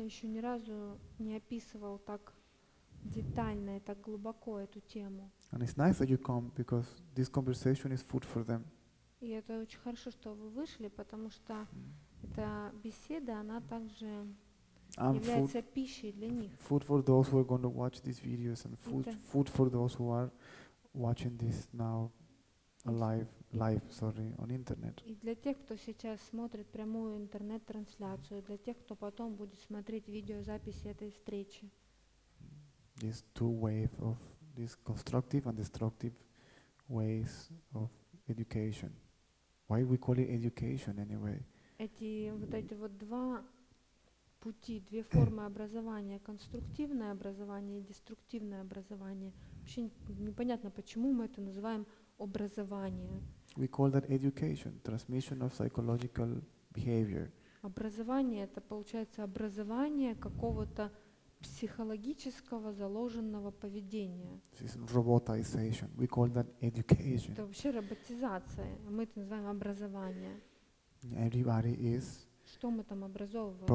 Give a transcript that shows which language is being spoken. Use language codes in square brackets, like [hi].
[ru] Я еще ни разу не описывал так детально и так глубоко эту тему. [en] And it's nice that you come because this conversation is food for them. [ru] И это очень хорошо, что вы вышли, потому что эта беседа, она также является пищей для них. [en] Food for those who are going to watch these videos and food for those who are watching this now live on internet. [ru] И для тех, кто сейчас смотрит прямую интернет-трансляцию, для тех, кто потом будет смотреть видеозаписи этой встречи. [en] This two wave of these constructive and destructive ways of education. Why we call it education anyway? [ru] Эти два пути, две формы образования, конструктивное образование и деструктивное образование. Вообще непонятно, почему мы это называем образование. [en] We call that education, transmission of psychological behavior. [ru] Образование — это получается образование какого-то психологического заложенного поведения. [en] This is robotization. We call that education. [ru] Это вообще роботизация. Мы это называем образование. [en] Everybody is [ru] что мы там образовываем